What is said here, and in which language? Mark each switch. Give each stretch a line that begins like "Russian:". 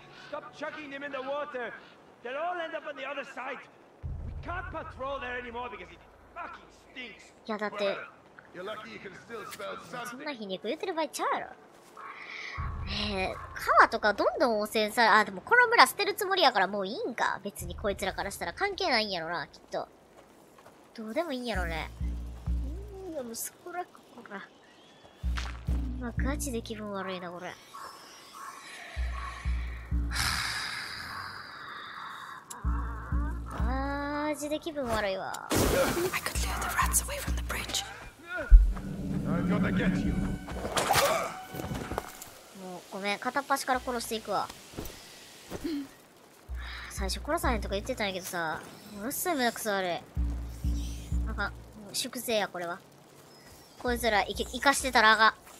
English: Stop chucking them in the water! They'll all end up on the other side!
Japanese: いや、だって、そんな皮肉言ってる場合ちゃうやろ。川とかどんどん汚染され、あ、でもこの村捨てるつもりやからもういいんか。別にこいつらからしたら関係ないんやろな、きっと。どうでもいいんやろね。でもそこらここら。まあ、ガチで気分悪いな、これ。マジで気分悪いわ。
English: I could clear the rats away from the bridge. I'm gonna get you.
Japanese: ごめん、片っ端から殺していくわ。最初殺さへんとか言ってたんやけどさ、ものすごい目くそ悪い。あかん、もう粛清や、これは。こいつら生かしてたらあかん。